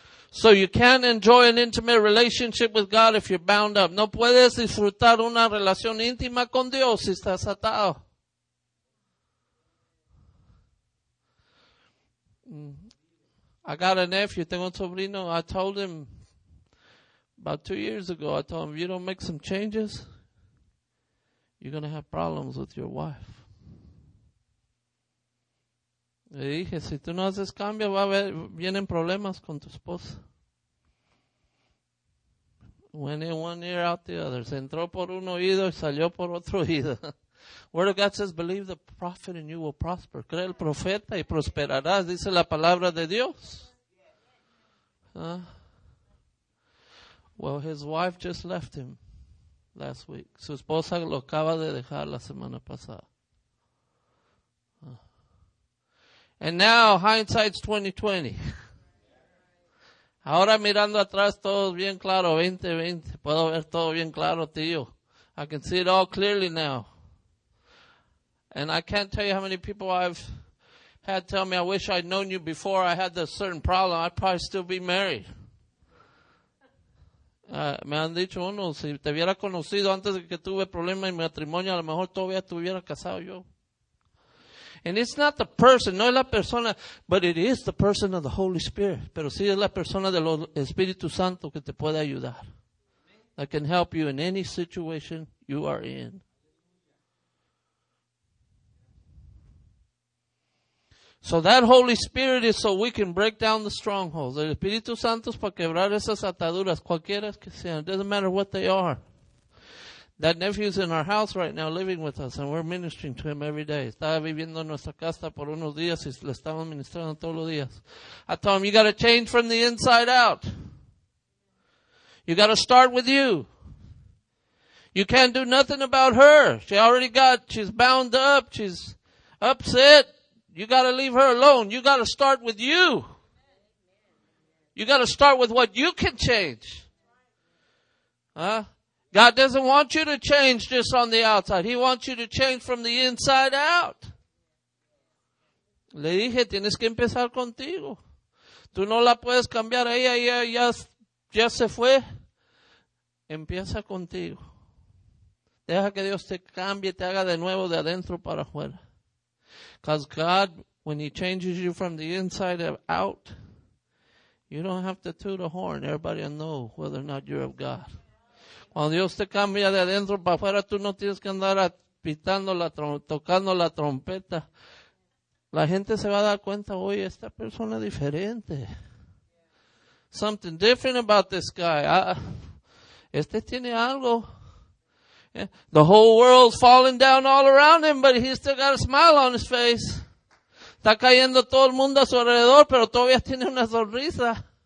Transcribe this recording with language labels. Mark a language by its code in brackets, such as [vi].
[en] So you can't enjoy an intimate relationship with God if you're bound up. [es] No puedes disfrutar una relación íntima con Dios si estás atado. [en] I got a nephew, [es] tengo un sobrino. [en] I told him about 2 years ago, I told him, if you don't make some changes, you're going to have problems with your wife. [es] Le dije, si tú no haces cambio, va a haber, vienen problemas con tu esposa. [en] Went in one ear, out the other. [es] Se entró por un oído y salió por otro oído. [en] Word of God says, believe the prophet and you will prosper. [es] Cree el profeta y prosperarás, dice la palabra de Dios. [en] Well, his wife just left him last week. [es] Su esposa lo acaba de dejar la semana pasada. [en] And now, hindsight's 20/20. [es] Ahora mirando atrás, todo bien claro, 2020. Puedo ver todo bien claro, tío. [en] I can see it all clearly now. And I can't tell you how many people I've had tell me, I wish I'd known you before I had this certain problem. I'd probably still be married. [es] Me han dicho uno, si te hubiera conocido antes de que tuve problema en mi matrimonio, a lo mejor todavía te hubiera casado yo. [en] And it's not the person, [es] no es la persona, [en] but it is the person of the Holy Spirit. [es] Pero sí es la persona del Espíritu Santo que te puede ayudar. [en] That can help you in any situation you are in. So that Holy Spirit is so we can break down the strongholds. [es] El Espíritu Santo es para quebrar esas ataduras, cualquiera que sean. [en] It doesn't matter what they are. That nephew's in our house right now living with us and we're ministering to him every day. [es] Estaba viviendo en nuestra casa por unos días y le estamos ministrando todos los días. [en] I told him, you got to change from the inside out. You got to start with you. You can't do nothing about her. She's bound up. She's upset. You got to leave her alone. You got to start with you. You got to start with what you can change. Huh? God doesn't want you to change just on the outside. He wants you to change from the inside out. [es] Le dije, tienes que empezar contigo. Tú no la puedes cambiar. Ella ya se fue. Empieza contigo. Deja que Dios te cambie, te haga de nuevo de adentro para afuera. [en] Because God, when he changes you from the inside out, you don't have to toot a horn. [es] Everybody will know whether or not you're of God. Cuando Dios te cambia de adentro para afuera, tú no tienes que andar pitando la tocando la trompeta, la gente se va a dar cuenta, oye, esta persona es diferente. [en] Something different about this guy. [es] Este tiene algo. [en] The whole world's falling down all around him, but he's still got a smile on his face. [es] Está cayendo todo el mundo a su alrededor, pero todavía tiene una sonrisa.